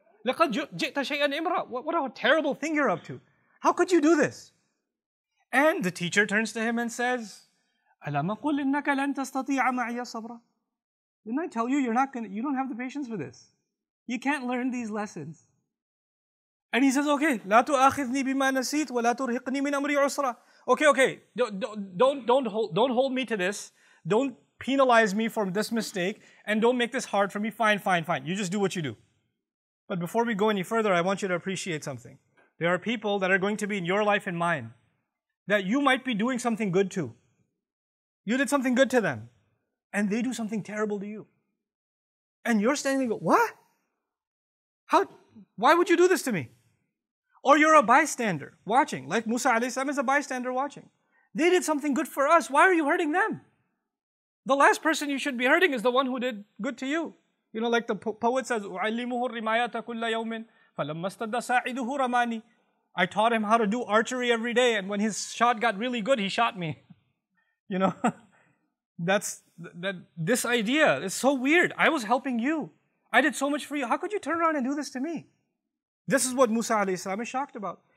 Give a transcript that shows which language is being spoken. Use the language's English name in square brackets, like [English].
[Arabic] لَقَدْ جِئْتَ شَيْئًا إِمْرًا. [English] What a terrible thing you're up to. How could you do this? And the teacher turns to him and says, [Arabic] أَلَمْ أَقُلْ إِنَّكَ لَنْ تَسْتَطِيعَ مَعِيَ صَبْرًا. [English] Didn't I tell you, you don't have the patience for this. You can't learn these lessons. And he says, okay, [Arabic] لَا تُؤَخِذْنِي بِمَا نَسِيتْ وَلَا تُرْهِقْنِي مِنْ أَمْرِي عُسْرًا. [English] Okay, don't hold me to this. Don't penalize me for this mistake. And don't make this hard for me. Fine. You just do what you do. But before we go any further, I want you to appreciate something. There are people that are going to be in your life and mine that you might be doing something good to. You did something good to them. And they do something terrible to you. And you're standing there and go, what? Why would you do this to me? Or you're a bystander watching, like Musa alayhi salam is a bystander watching. They did something good for us. Why are you hurting them? The last person you should be hurting is the one who did good to you. You know, like the poet says, [Arabic] أُعَلِّمُهُ الرِّمَايَةَ كُلَّ يَوْمٍ فَلَمَّا اسْتَدَّ سَاعِدُهُ رَمَانِي. [English] I taught him how to do archery every day, and when his shot got really good, he shot me. You know, this idea is so weird. I was helping you. I did so much for you. How could you turn around and do this to me? This is what Musa alayhi salam is shocked about.